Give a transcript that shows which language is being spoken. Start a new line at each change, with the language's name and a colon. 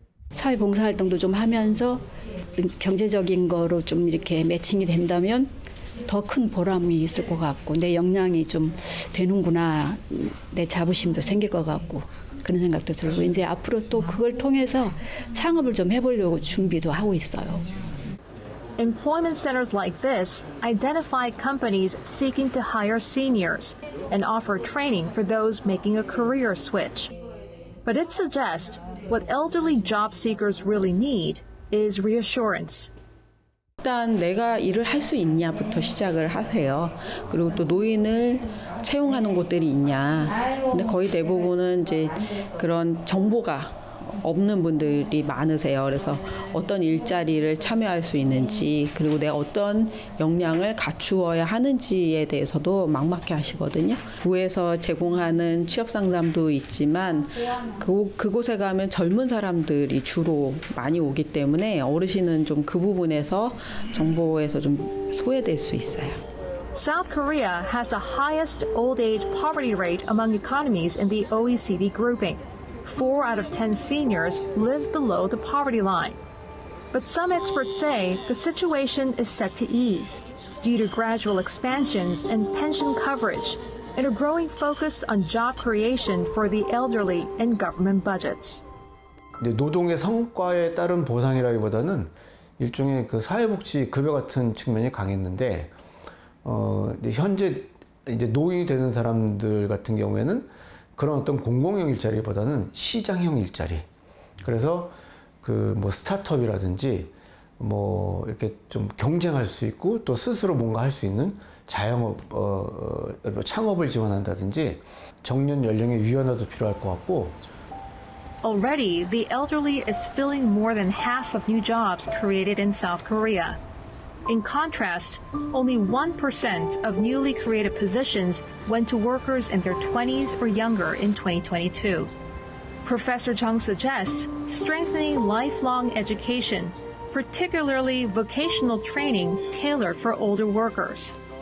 Korean: 사회봉사활동도 좀 하면서 경제적인 거로 좀 이렇게 매칭이 된다면 더 큰 보람이 있을 것 같고 내 역량이 좀 되는구나 내 자부심도 생길 것 같고 그런 생각도 들고 이제 앞으로 또 그걸 통해서 창업을 좀 해보려고 준비도 하고 있어요.
English: Employment centers like this identify companies seeking to hire seniors and offer training for those making a career switch. But it suggests what elderly job seekers really need is reassurance.
Korean: 일단 내가 일을 할 수 있냐부터 시작을 하세요. 그리고 또 노인을 채용하는 곳들이 있냐. 근데 거의 대부분은 이제 그런 정보가 없는 분들이 많으세요. 그래서 어떤 일자리를 참여할 수 있는지 그리고 내가 어떤 역량을 갖추어야 하는지에 대해서도 막막해 하시거든요. 부에서 제공하는 취업 상담도 있지만 그곳에 가면 젊은 사람들이 주로 많이 오기 때문에 어르신은 좀 그 부분에서 정보에서 좀 소외될 수 있어요.
English: South Korea has the highest old age poverty rate among economies in the OECD grouping. 4 out of 10 seniors live below the poverty line. But some experts say the situation is set to ease due to gradual expansions in pension coverage and a growing focus on job creation for the elderly and government budgets.
Korean: 노동의 성과에 따른 보상이라기보다는 일종의 그 사회복지 급여 같은 측면이 강했는데 현재 이제 노인이 되는 사람들 같은 경우에는 그런 어떤 공공형 일자리보다는 시장형 일자리. 그래서 그 뭐 스타트업이라든지 뭐 이렇게 좀 경쟁할 수 있고 또 스스로 뭔가 할 수 있는 자영업, 창업을 지원한다든지 정년 연령의 유연화도 필요할 것 같고.
English: Already, the elderly is filling more than half of new jobs created in South Korea. In contrast, only 1% of newly created positions went to workers in their 20s or younger in 2022. Professor Jung suggests strengthening lifelong education, particularly vocational training tailored for older workers.